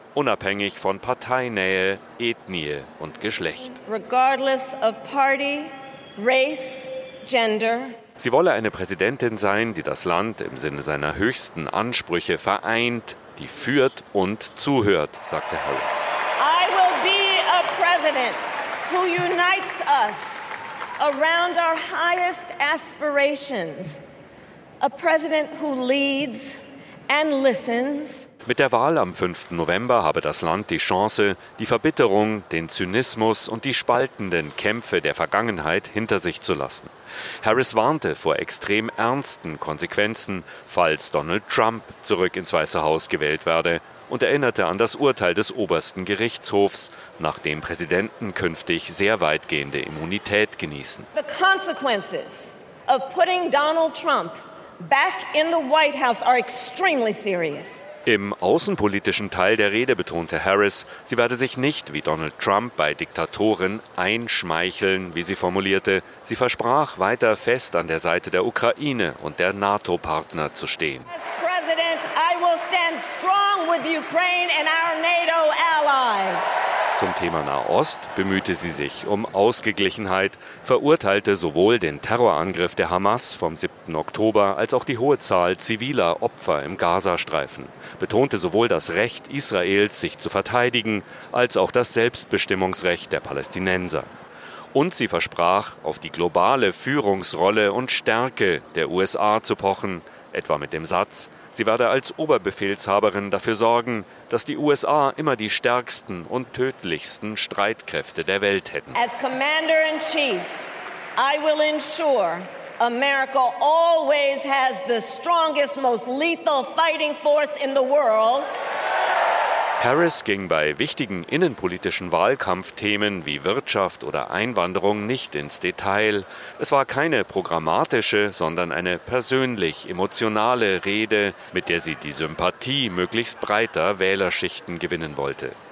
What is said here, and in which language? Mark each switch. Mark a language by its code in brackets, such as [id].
[de] Unabhängig von Parteinähe, Ethnie und Geschlecht. [en] Regardless of party, race, gender. [de] Sie wolle eine Präsidentin sein, die das Land im Sinne seiner höchsten Ansprüche vereint, die führt und zuhört, sagte Harris. [en] I will be a president who unites us around our highest aspirations. A president who leads and listens. [de] Mit der Wahl am 5. November habe das Land die Chance, die Verbitterung, den Zynismus und die spaltenden Kämpfe der Vergangenheit hinter sich zu lassen. Harris warnte vor extrem ernsten Konsequenzen, falls Donald Trump zurück ins Weiße Haus gewählt werde, und erinnerte an das Urteil des obersten Gerichtshofs, nach dem Präsidenten künftig sehr weitgehende Immunität genießen. [en] The consequences of putting Donald Trump back in the White House are extremely serious. [de] Im außenpolitischen Teil der Rede betonte Harris, sie werde sich nicht wie Donald Trump bei Diktatoren einschmeicheln, wie sie formulierte. Sie versprach, weiter fest an der Seite der Ukraine und der NATO-Partner zu stehen. [en] As President, I will stand strong with Ukraine and our NATO allies. [de] Zum Thema Nahost bemühte sie sich um Ausgeglichenheit, verurteilte sowohl den Terrorangriff der Hamas vom 7. Oktober als auch die hohe Zahl ziviler Opfer im Gazastreifen, betonte sowohl das Recht Israels, sich zu verteidigen, als auch das Selbstbestimmungsrecht der Palästinenser. Und sie versprach, auf die globale Führungsrolle und Stärke der USA zu pochen, etwa mit dem Satz, sie werde als Oberbefehlshaberin dafür sorgen, dass die USA immer die stärksten und tödlichsten Streitkräfte der Welt hätten. [en] As Commander-in-Chief, I will ensure America always has the strongest, most lethal fighting force in the world. [de] Harris ging bei wichtigen innenpolitischen Wahlkampfthemen wie Wirtschaft oder Einwanderung nicht ins Detail. Es war keine programmatische, sondern eine persönlich-emotionale Rede, mit der sie die Sympathie möglichst breiter Wählerschichten gewinnen wollte.